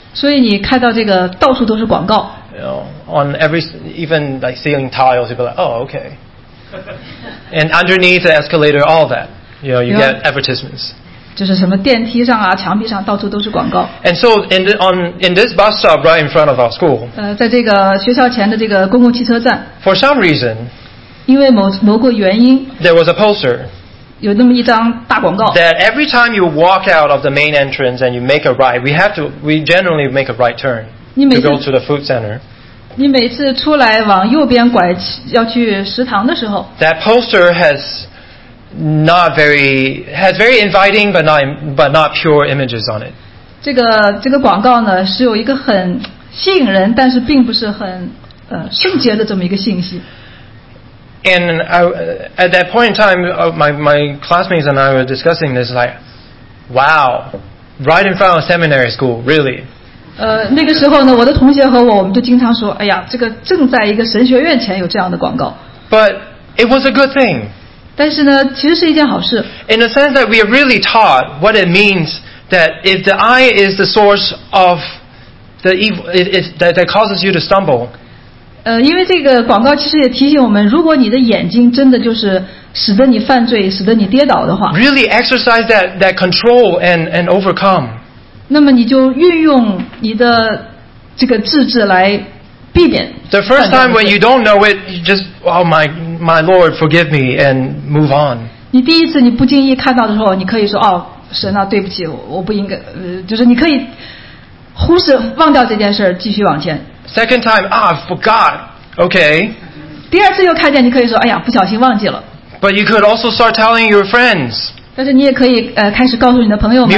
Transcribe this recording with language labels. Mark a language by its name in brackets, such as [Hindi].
[Chinese] 所以你看到这个到处都是广告。 [English] on every, even like ceiling tiles, you'd be like, oh, okay. And underneath the escalator, all that, you know, you get advertisements. [Chinese] 就是什么电梯上啊，墙壁上到处都是广告。 [English] And so in this bus stop right in front of our school. [Chinese] 在这个学校前的这个公共汽车站。 [English] For some reason. [Chinese] 因为某个原因。 [English] There was a poster. [Chinese] 有那么一张大广告。 [English] That every time you walk out of the main entrance and you make a right, we generally make a right turn to go to the food center. [Chinese] 你每次出来往右边拐要去食堂的时候 [English] ，That poster has very inviting but not pure images on it. [Chinese] 这个广告呢是有一个很吸引人，但是并不是很圣洁的这么一个信息。 [English] And at that point in time, my classmates and I were discussing this like, wow, right in front of seminary school, really. [Chinese] 那个时候呢，我的同学和我们就经常说，哎呀，这个正在一个神学院前有这样的广告。 [English] But it was a good thing. [Chinese] 但是呢，其实是一件好事。 [English] In the sense that we are really taught what it means that if the eye is the source of the evil, that causes you to stumble. [Chinese] 因为这个广告其实也提醒我们，如果你的眼睛真的就是使得你犯罪，使得你跌倒的话。 [English] Really exercise that control and overcome. [Chinese] 那么你就运用你的这个自制来避免。 [English] The first time when you don't know it, you just, oh my Lord, forgive me and move on. [Chinese] 你第一次你不经意看到的时候，你可以说哦，神啊，对不起，我不应该，就是你可以忽视忘掉这件事，继续往前。 [English] Second time, ah, I forgot. Okay. [Chinese] 第二次又看见，你可以说哎呀，不小心忘记了。 [English] But you could also start telling your friends. [Chinese] 但是你也可以开始告诉你的朋友们。